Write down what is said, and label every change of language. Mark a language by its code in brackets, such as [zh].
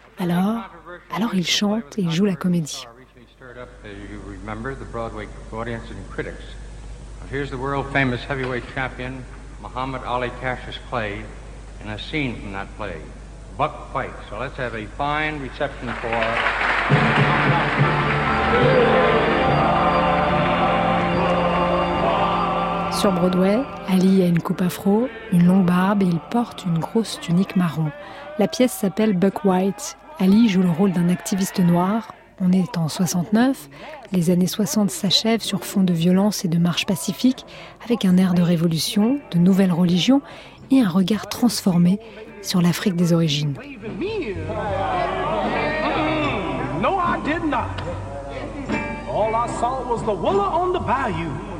[fr] Alors il chante et il joue la comédie. [en] You remember the Broadway audience and critics. Here's the world famous heavyweight champion Muhammad Ali Cassius Clay in a scene from that play, Buck Fight. So let's have a fine reception for. [fr] Sur Broadway, Ali a une coupe afro, une longue barbe et il porte une grosse tunique marron. La pièce s'appelle Buck White. Ali joue le rôle d'un activiste noir. On est en 69. Les années 60 s'achèvent sur fond de violence et de marche pacifique, avec un air de révolution, de nouvelles religions et un regard transformé sur l'Afrique des origines. [en] No, I did not. All I saw was the willow on the bayou.